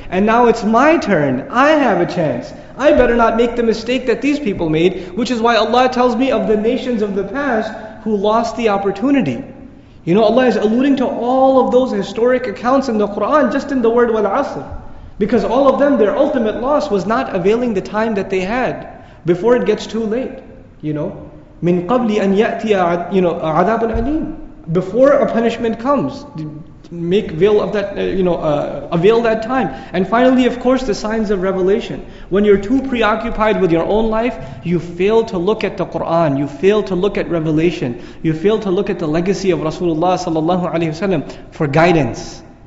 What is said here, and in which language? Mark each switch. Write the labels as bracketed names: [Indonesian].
[English] And now it's my turn, I have a chance. I better not make the mistake that these people made, which is why Allah tells me of the nations of the past who lost the opportunity. You know, Allah is alluding to all of those historic accounts in the Qur'an just in the word wal asr. Because all of them, their ultimate loss was not availing the time that they had before it gets too late. You know, [Arabic] مِنْ قَبْلِ أَنْ يَأْتِيَ عَذَابٌ عَلِيمٌ. [English] Before a punishment comes, make veil of that, you know, avail that time. And finally, of course, the signs of revelation. When you're too preoccupied with your own life, you fail to look at the Quran, you fail to look at revelation, you fail to look at the legacy of Rasulullah sallallahu alaihi wasallam for guidance.